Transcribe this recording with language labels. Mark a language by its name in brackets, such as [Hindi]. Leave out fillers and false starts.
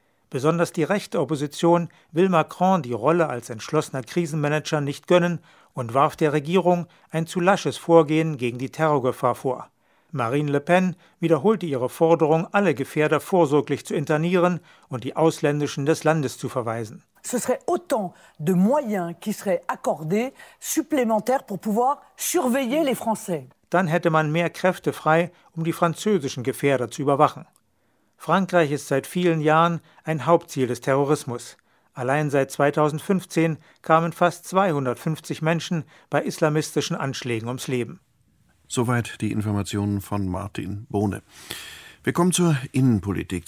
[German] Besonders die rechte Opposition will Macron die Rolle als entschlossener Krisenmanager nicht gönnen und warf der Regierung ein zu lasches Vorgehen gegen die Terrorgefahr vor. Marine Le Pen wiederholte ihre Forderung, alle Gefährder vorsorglich zu internieren und die Ausländischen des Landes zu verweisen. [French] Ce serait autant de moyens qui seraient accordés supplémentaires pour pouvoir surveiller les Français. [German] Dann hätte man mehr Kräfte frei, um die französischen Gefährder zu überwachen. Frankreich ist seit vielen Jahren ein Hauptziel des Terrorismus. Allein seit 2015 kamen fast 250 Menschen bei islamistischen Anschlägen ums Leben. Soweit die Informationen von Martin Bohne. Wir kommen zur Innenpolitik.